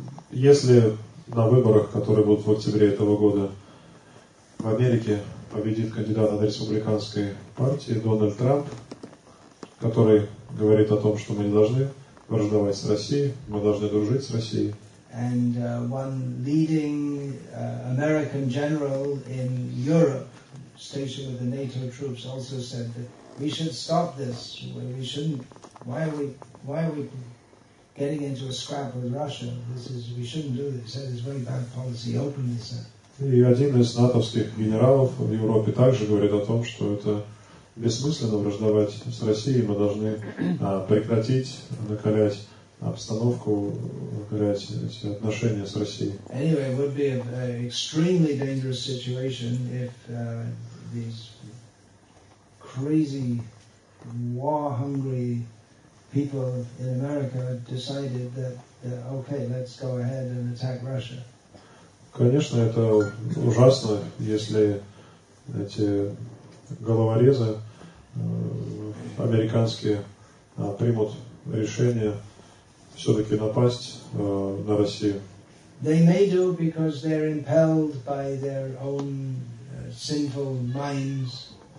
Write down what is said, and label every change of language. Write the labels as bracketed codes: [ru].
[ru] Если на выборах, которые будут в октябре этого года, в Америке победит кандидат от республиканской партии Дональд Трамп, который говорит о том, что мы не должны враждовать с Россией, мы должны дружить с Россией. [en] And one leading American general in Europe, stationed with the NATO troops, also said that we should stop this. Why are we getting into a scrap with Russia? We shouldn't do this. That is very bad policy. Openly said. [ru] И один из натовских генералов в Европе также говорит о том, что это бессмысленно враждовать с Россией, мы должны прекратить накалять обстановку, накалять эти отношения с Россией. [en] Anyway, it would be an extremely dangerous situation if these crazy, war-hungry people in America decided that, okay, let's go ahead and attack Russia. [ru] Конечно, это ужасно, если эти головорезы американские примут решение все-таки напасть на Россию. [en] They may do because they're impelled by their own sinful minds.